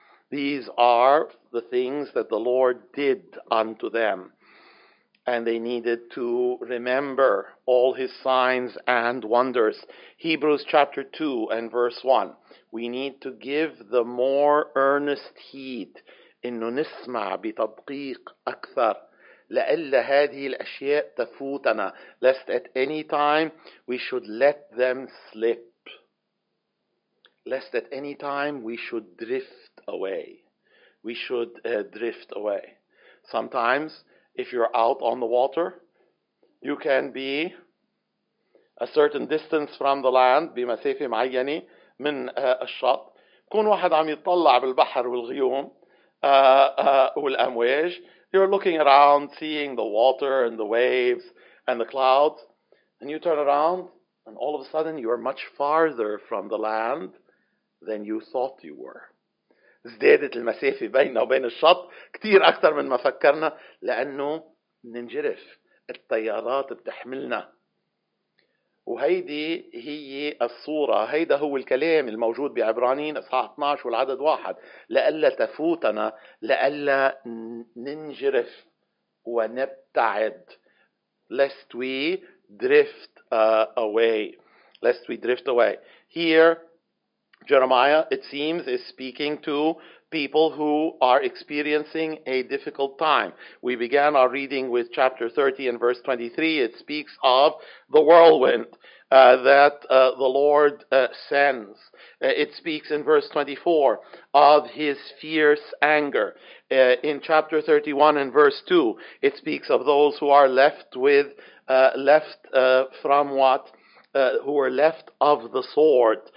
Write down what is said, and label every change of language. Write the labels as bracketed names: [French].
[English] These are the things that the Lord did unto them. and they needed to remember all his signs and wonders. Hebrews chapter 2 and verse 1. We need to give the more earnest heed. [Arabic] إنه نسمع بتدقيق أكثر لألا هذه الأشياء تفوتنا. [English] Lest at any time we should let them slip. Lest at any time we should drift away. We should drift away. Sometimes, if you're out on the water, you can be a certain distance from the land, [Arabic] بمسافة معينة من الشط. كون واحد عم يطلع بالبحر والغيوم والأمواج. [English] You're looking around, seeing the water and the waves and the clouds. And you turn around, and all of a sudden, you are much farther from the land than you thought you were. [Arabic] ازدادت المسافة بيننا وبين الشط كتير أكثر من ما فكرنا لأنه ننجرف التيارات بتحملنا وهيدي هي الصورة هيدا هو الكلام الموجود بعبرانيين إصحاح 12 والعدد 1 لألا تفوتنا لألا ننجرف ونبتعد [English] lest we drift away lest we drift away here Jeremiah, it seems, is speaking to people who are experiencing a difficult time. We began our reading with chapter 30 and verse 23. It speaks of the whirlwind that the Lord sends. It speaks in verse 24 of his fierce anger. In chapter 31 and verse 2, it speaks of those who are left with, who are left of the sword.